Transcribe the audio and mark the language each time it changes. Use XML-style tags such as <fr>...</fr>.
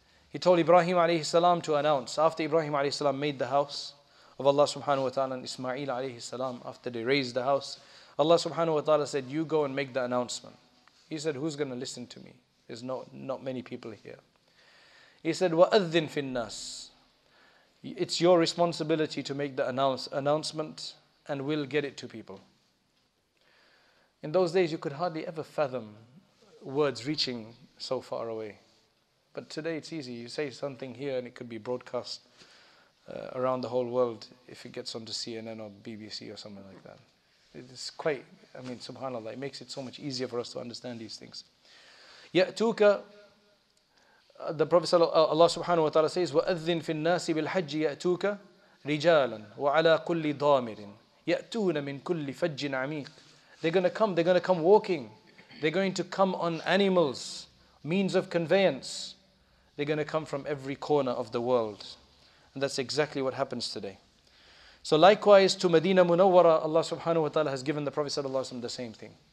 <en>He told Ibrahim alayhi salam to announce, after Ibrahim alayhi salam made the house of Allah subhanahu wa ta'ala and Ismail alayhi salam, after they raised the house, Allah subhanahu wa ta'ala said, you go and make the announcement. He said, who's going to listen to me? There's not many people here. He said,</en> <ar>وَأَذِّنْ فِي النَّاسِ.</ar> <en>It's your responsibility to make the announcement and we'll get it to people. In those days, you could hardly ever fathom words reaching so far away. But today it's easy. You say something here and it could be broadcast around the whole world if it gets onto CNN or BBC or something like that. It's quite, I mean, subhanAllah, it makes it so much easier for us to understand these things.</en> <ar>Ya'tuka.</ar> <en>The Prophet Allah subhanahu wa ta'ala says,</en> <ar>وَأَذِّنْ فِي النَّاسِ بِالْحَجِّ يَأْتُوكَ رِجَالًا وَعَلَىٰ كُلِّ ضَامِرٍ يَأْتُونَ مِنْ كُلِّ فَجٍّ عَمِيقٍ.</ar> <en>They're going to come walking. They're going to come on animals, means of conveyance. They're going to come from every corner of the world. And that's exactly what happens today. So likewise, to Medina Munawwara, Allah subhanahu wa ta'ala has given the Prophet sallallahu alayhi wa sallam the same thing.</en>